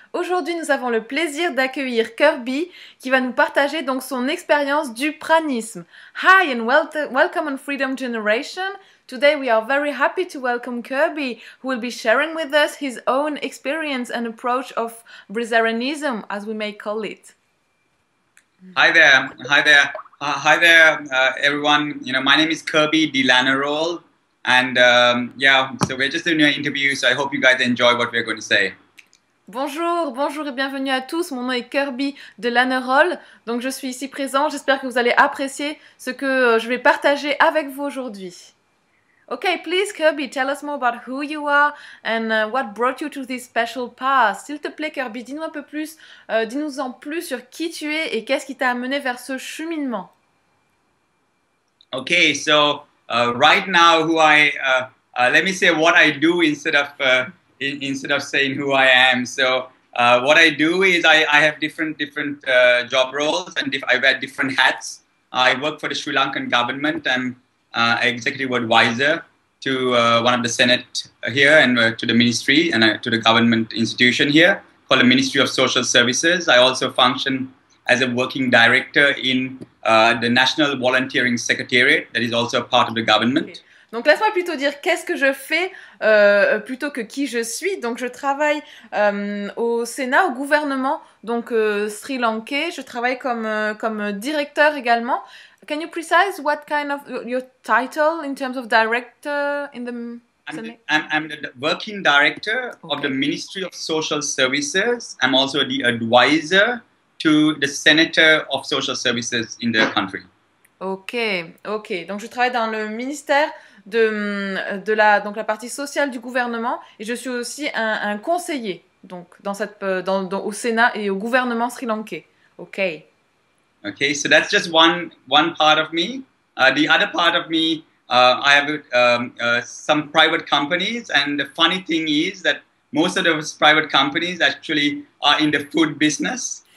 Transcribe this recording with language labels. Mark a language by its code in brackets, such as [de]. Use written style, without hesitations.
[fr] Aujourd'hui, nous avons le plaisir d'accueillir Kirby qui va nous partager donc son expérience du pranisme. [en] Hi and welcome on Freedom Generation. Today we are very happy to welcome Kirby who will be sharing with us his own experience and approach of Brizeranism as we may call it. Hi there, everyone. You know, my name is Kirby Dilanarol. And so we're just doing an interview, so I hope you guys enjoy what we're going to say. [fr] Bonjour, bonjour et bienvenue à tous. Mon nom est Kirby de Lannerol. Donc je suis ici présent. J'espère que vous allez apprécier ce que je vais partager avec vous aujourd'hui. [en] Okay, please Kirby, tell us more about who you are and what brought you to this special path. [fr] S'il te plaît Kirby, dis-nous un peu plus, dis-nous en plus sur qui tu es et qu'est-ce qui t'a amené vers ce cheminement. [en] Okay, so right now, who I let me say what I do instead of saying who I am. So what I do is I have different job roles and I wear different hats. I work for the Sri Lankan government. I'm executive advisor to one of the Senate here and to the ministry and to the government institution here called the Ministry of Social Services. I also function as a working director in the National Volunteering Secretariat, that is also a part of the government. Okay. [fr] Donc laisse-moi plutôt dire qu'est-ce que je fais plutôt que qui je suis. Donc je travaille au Sénat, au gouvernement, donc Sri Lankais. Je travaille comme directeur également. [en] Can you precise what kind of your title in terms of director in the Senate? I'm the working director of the Ministry of Social Services. I'm also the advisor to the Senator of Social Services in the country. OK. [fr] Donc je travaille dans le ministère de la partie sociale du gouvernement et je suis aussi un conseiller donc dans au Sénat et au gouvernement sri-lankais. OK. [en] OK, so that's just one part of me. The other part of me, I have some private companies, and the funny thing is that most of those private companies actually are in the food business.